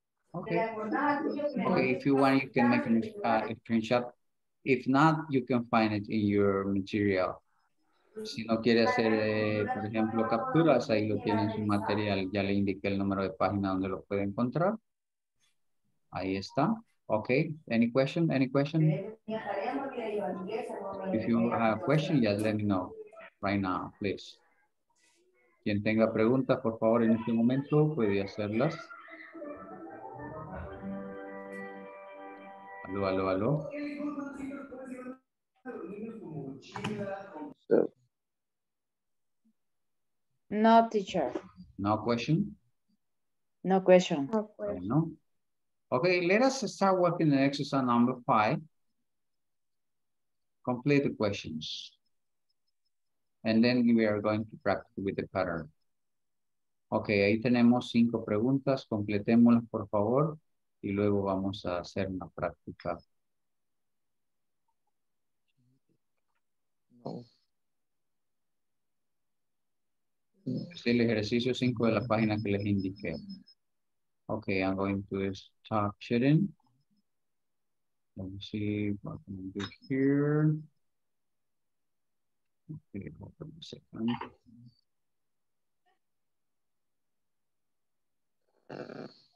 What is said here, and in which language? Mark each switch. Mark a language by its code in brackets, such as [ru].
[en] Okay, if you want, you can make a screenshot. If not, you can find it in your material. [es] Si no quiere hacer, por ejemplo, capturas, ahí lo tienen su material. Ya le indiqué el número de página donde lo puede encontrar. Ahí está. [en] Okay. Any question? If you have a question, just let me know right now, please. [es] Quien tenga preguntas, por favor, en este momento, puede hacerlas. Aló. [en] No, teacher. No question. No question. Okay, let us start working on exercise number 5. Complete the questions. And then we are going to practice with the pattern. [es] Okay, ahí tenemos 5 preguntas. Completémoslas, por favor. y luego vamos a hacer una práctica. Es el ejercicio 5 de la página que les indiqué. [en] Okay, I'm going to stop sharing. Let me see what I can do here. Okay, hold on a second.